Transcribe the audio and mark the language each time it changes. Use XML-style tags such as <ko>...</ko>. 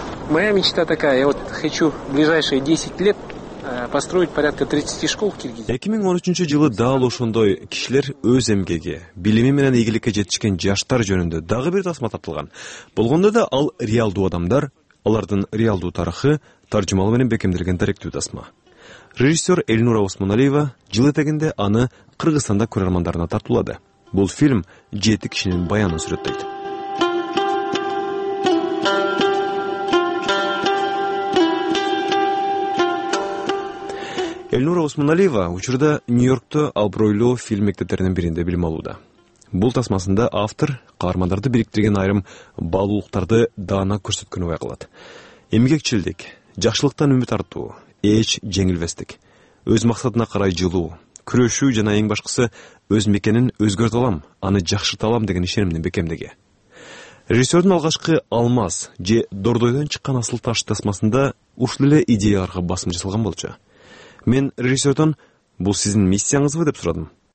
<ru>Моя мечта такая, я вот хочу в ближайшие 10 лет построить порядка 30 школ в Киргизии.</ru> <ky>2013 жылы дал ошондой кишилер өз эмгеги, билими менен ийгиликке жетишкен жаштар жөнүндө дагы бир тасма тартылган. Болгондо да ал реалдуу адамдар, алардын реалдуу тарыхы таржымалы менен бекемделген даректүү тасма. Режиссер Элнура Осмоналиева жыл этегинде аны Кыргызстанда көрөрмандарына тартуулады. Бул фильм 7 кишинин баянын сүрөттөйт. Элнура Усманалиева учурда Нью-Йоркто абройлуу фильм мектептеринин биринде билим алууда. Бул тасмасында автор каармандарды бириктирген айрым баалуулуктарды даана көрсөткөнү байкалат. Эмгекчилдик, жакшылыктан үмүт артуу, эч жеңилбестик, өз максатына карай жылуу, күрөшүү жана эң башкысы өз мекенин өзгөртө алам, аны жакшырта алам деген ишенимдин бекемдиги. Режиссердун алгачкы Алмаз же Дордойдон чыккан асыл таш тасмасында ушул эле идеяларга басым жасалган болчу. Мен режиссердон бул сиздин миссияңызбы деп сурадым.</ky>